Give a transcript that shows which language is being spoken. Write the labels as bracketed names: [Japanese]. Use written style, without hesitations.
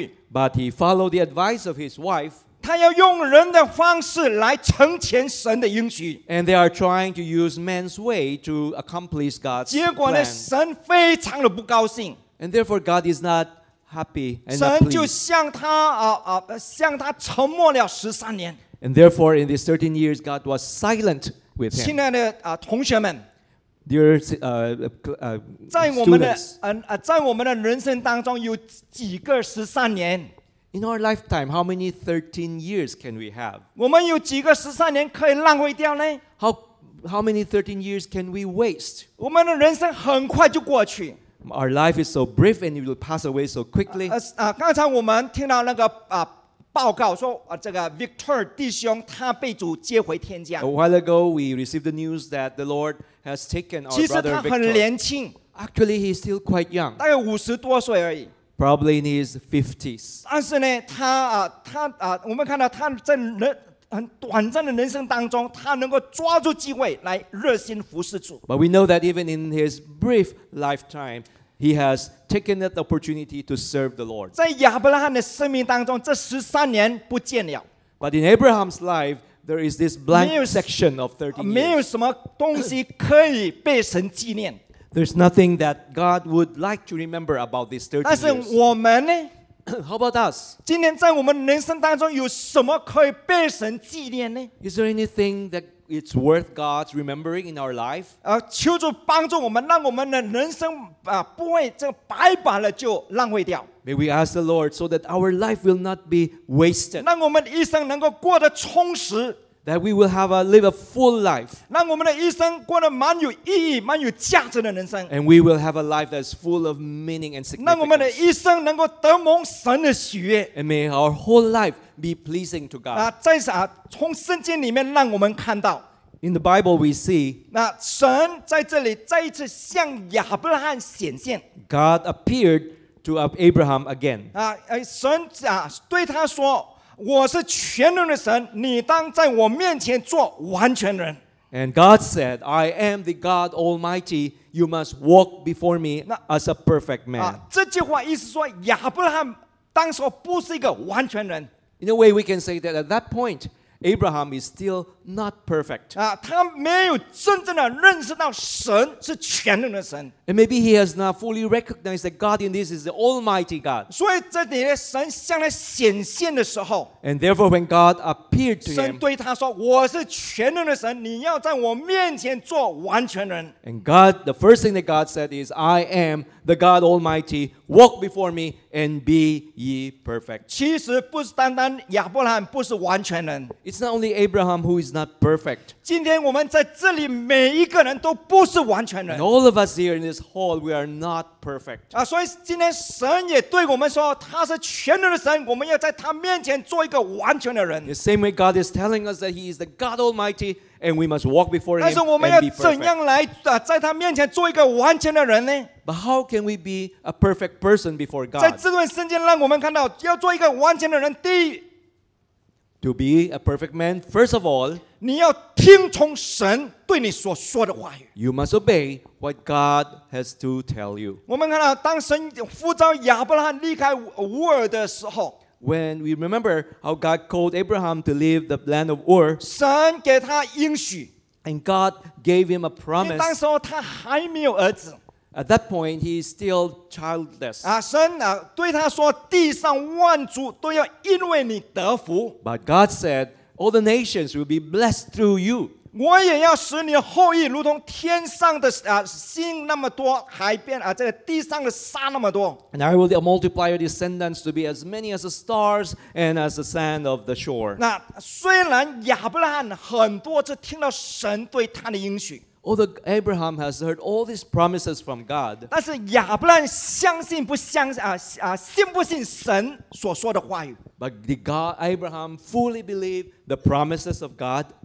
[English] But he followed the advice of his wife. And they are trying to use man's way to accomplish God's plan. [Chinese] 结果呢，神非常的不高兴。 [English] And therefore, God is not happy and not pleased. [Chinese] 神就向他向他沉默了十三年。 [English] And therefore, in these 13 years, God was silent with him. [Chinese] 亲爱的同学们 [English] ，Dear [Chinese] 在我们的在我们的人生当中有几个十三年。 [English] In our lifetime, how many 13 years can we have? [Chinese] 我们有几个十三年可以浪费掉呢？ [English] How many 13 years can we waste? [Chinese] 我们的人生很快就过去。 [English] Our life is so brief and it will pass away so quickly. [Chinese] 刚才我们听到那个报告说这个 Victor 弟兄他被主接回天家。 [English] A while ago, we received the news that the Lord has taken our brother Victor. [Chinese] 其实他很年轻。 [English] Actually, he's still quite young. [Chinese] 大概五十多岁而已。 [English] Probably in his 50s. [Chinese] 但是呢，我们看到他在很短暂的人生当中，他能够抓住机会来热心服侍主。 [English] But we know that even in his brief lifetime, he has taken that opportunity to serve the Lord. [Chinese] 在亚伯拉罕的生命当中，这十三年不见了。 [English] But in Abraham's life, there is this blank section of 13 years. [Chinese] 没有什么东西可以被神纪念。 [English] There's nothing that God would like to remember about these 13 years. [Chinese] 但是我们呢 [English] ？How about us? [Chinese] 今天在我们人生当中有什么可以被神纪念呢 [English] ？Is there anything that it's worth God's remembering in our life? [Chinese] 求主帮助我们，让我们的人生不会这白白的就浪费掉。 [English] May we ask the Lord so that our life will not be wasted. [Chinese] 让我们一生能够过得充实。 [English] that we will have a live a full life. [Chinese] 让我们的一生过得蛮有意义、蛮有价值的人生。 [English] And we will have a life that is full of meaning and significance. [Chinese] 让我们的一生能够得蒙神的喜悦。 [English] And may our whole life be pleasing to God. [Chinese] 再次啊，从圣经里面让我们看到。 [English] In the Bible, we see. [Chinese] 那神在这里再一次向亚伯拉罕显现。 [English] God appeared to Abraham again. [Chinese] 神啊对他说。我是全能的神，你当在我面前做完全人。 [English] And God said, I am the God Almighty. You must walk before me as a perfect man. [Chinese] 这句话意思说亚伯拉罕当时不是一个完全人。 [English] In a way, we can say that at that point, Abraham is still not perfect. [Chinese] 他没有真正的认识到神是全能的神。 [English] And maybe he has not fully recognized that God in this is the Almighty God. [Chinese] 所以这里的神向他显现的时候 [English] ，And therefore when God appeared to him, [Chinese] 神对他说：“我是全能的神，你要在我面前做完全人。 [English] ”And God, the first thing that God said is, "I am the God Almighty. Walk before me and be ye perfect." [Chinese] 其实不是单单亚伯拉罕不是完全人 [English] ，It's not only Abraham who is not perfect. [Chinese] 今天我们在这里每一个人都不是完全人 [English] ，And all of us here. This hall, we are not perfect. [Chinese] 所以今天神也对我们说，他是全能的神，我们要在他面前做一个完全的人。 [English] The same way God is telling us that He is the God Almighty, and we must walk before Him and be perfect. [Chinese] 但是我们要怎样来在他面前做一个完全的人呢 [English] ？But how can we be a perfect person before God? [Chinese] 在这段圣经让我们看到，要做一个完全的人，第一 [English] ，to be a perfect man, first of all. [Chinese] 你要听从神对你所说的话语。 [English] You must obey what God has to tell you. [Chinese] 我们看到，当神呼召亚伯拉罕离开乌尔的时候 [English] ，When we remember how God called Abraham to leave the land of Ur, [Chinese] 神给他应许 [English] ，and God gave him a promise. [Chinese] 当时候他还没有儿子。 [English] At that point, he is still childless. [Chinese] 神对他说，地上万族都要因为你得福。 [English] But God said. All the nations will be blessed through you. [Chinese] 我也要使你的后裔如同天上的星那么多，海边这个地上的沙那么多。 [English] And I will multiply your descendants to be as many as the stars and as the sand of the shore. [Chinese] 那虽然亚伯拉罕很多次听到神对他的应许 [English] ，Although Abraham has heard all these promises from God, [Chinese] 但是亚伯拉罕相信不相信信不信神所说的话语？ [English] But did God, Abraham fully believe the promises of God?